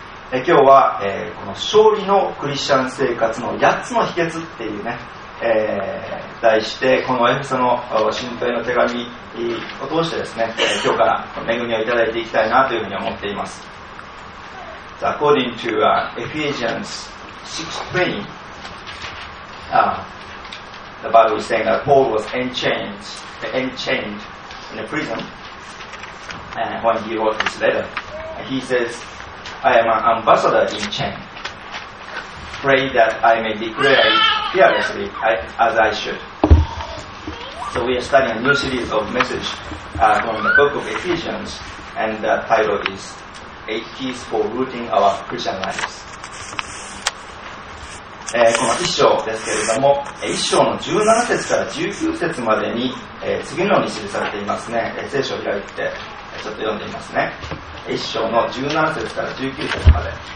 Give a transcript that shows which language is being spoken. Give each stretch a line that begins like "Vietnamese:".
Japanese: 今日は、この勝利のクリスチャン生活の8つの秘訣っていうね、題してこのエフェソの信徒への手紙を通してですね、今日から恵みをいただいていきたいなというふうに思っています。
English: So according to Ephesians 6:20 the Bible is saying that Paul was enchained in a prison when he wrote this letter. He says, I am an ambassador in chain. Pray that I may declare itFearlessly, as I should. So we are studying a new series of message from the book of Ephesians, and the title is Eight Keys for Rooting Our Christian Lives.
Japanese: この一章ですけれども、一章の17節から19節までに、次のように記されていますね。聖書を開いて、ちょっと読んでみますね。一章の17節から19節まで。